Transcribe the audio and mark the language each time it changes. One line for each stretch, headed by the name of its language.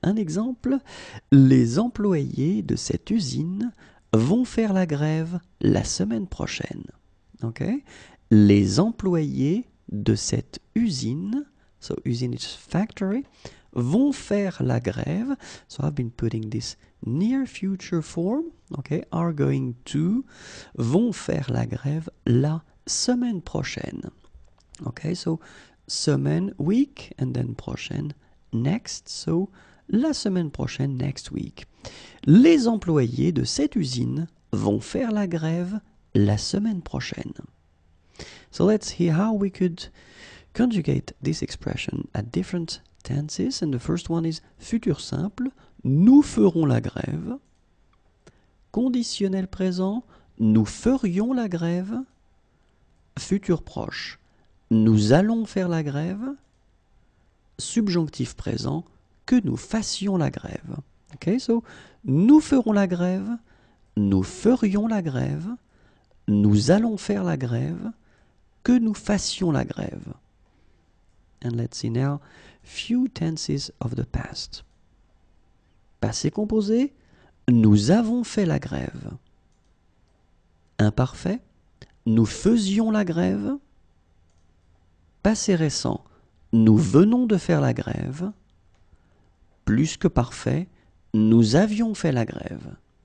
French: Un exemple, les employés de cette usine vont faire la grève la semaine prochaine. Okay? Les employés de cette usine, so usine
English: is factory,
French: vont faire la grève.
English: So I've been putting this near future form.
French: Okay,
English: are going to,
French: vont faire la grève la semaine prochaine.
English: Okay, so semaine, week, and then prochaine, next. So
French: la semaine prochaine,
English: next week.
French: Les employés de cette usine vont faire la grève la semaine prochaine.
English: So let's see how we could conjugate this expression at different tenses, and the first one is futur simple,
French: nous ferons la grève. Conditionnel présent, nous ferions la grève. Futur proche, nous allons faire la grève. Subjonctif présent, que nous fassions la grève. Okay, so, nous ferons la grève, nous ferions la grève, nous allons faire la grève, que nous fassions la grève.
English: And let's see now few tenses of the past.
French: Passé composé, nous avons fait la grève. Imparfait, nous faisions la grève. Passé récent, nous venons de faire la grève. Plus que parfait, nous avions fait la grève.